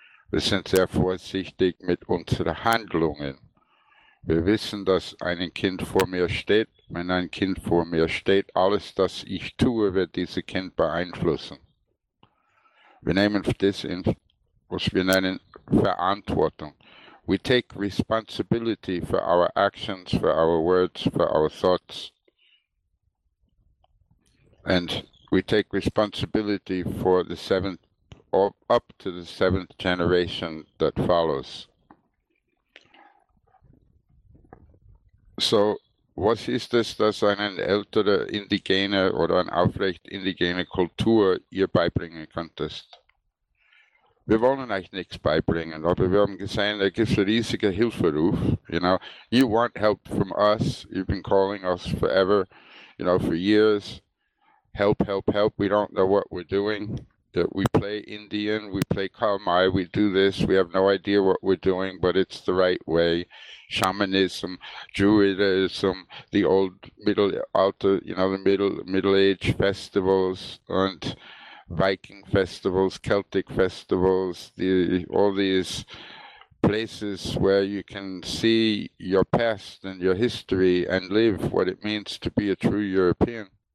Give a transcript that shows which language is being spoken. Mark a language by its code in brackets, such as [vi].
[de] Wir sind sehr vorsichtig mit unseren Handlungen. Wir wissen, dass ein Kind vor mir steht. Wenn ein Kind vor mir steht, alles, was ich tue, wird dieses Kind beeinflussen. Wir nehmen das in, was wir nennen, Verantwortung. [en] We take responsibility for our actions, for our words, for our thoughts. And we take responsibility for the seventh, or up to the seventh generation that follows. [de] So, was ist es, dass eine ältere indigene oder eine aufrecht indigene Kultur ihr beibringen könntest? Wir wollen euch nichts beibringen, aber wir haben gesehen, da gibt es einen riesigen Hilferuf. [en] You know, you want help from us. You've been calling us forever, you know, for years. Help, help, help. We don't know what we're doing. That we play Indian, we play Kalmai, we do this. We have no idea what we're doing, but it's the right way. Shamanism, Druidism, the old middle alter, you know, the middle age festivals and Viking festivals, Celtic festivals, all these places where you can see your past and your history and live what it means to be a true European.